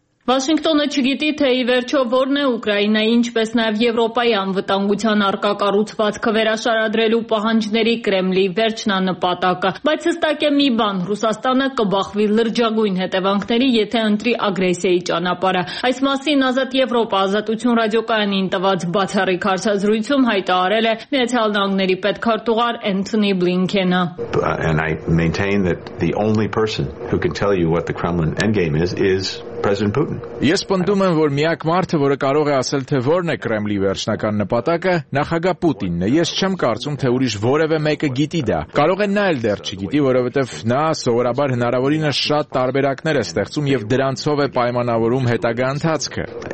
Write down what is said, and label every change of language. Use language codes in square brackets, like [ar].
[hy] Վաշինգտոնը չգիտի, թե ի վերջո որն է Ուկրաինայի, ինչպես նաև Եվրոպայի անվտանգության առկա կառուցվածքը վերաշարադրելու պահանջների Կրեմլի վերջնանպատակը, բայց հստակ է մի բան՝ Ռուսաստանը կբախվի լրջագույն հետևանքների, եթե ընտրի ագրեսիայի ճանապարհը։ Այս մասին Ազատ Եվրոպա Ազատություն ռադիոկայանին տված բացառիկ հարցազրույցում հայտարարել է Միացյալ Նահանգների պետքարտուղար Էնթոնի Բլինքենը։ [en] And I maintain that the only person who can tell you what the Kremlin endgame is President Putin. [hy] Ես պնդում եմ, որ միակ մարդը, որը կարող է ասել, թե որն է Կրեմլի վերջնական նպատակը, նախագահ Պուտինն է։ Ես չեմ կարծում, թե ուրիշ որևէ մեկը գիտի դա։ Կարող է նա էլ դեռ չգիտի, որովհետև նա սովորաբար հնարավորինս շատ տարբերակներ է ստեղծում եւ դրանցով է պայմանավորում հետագա ընթացքը։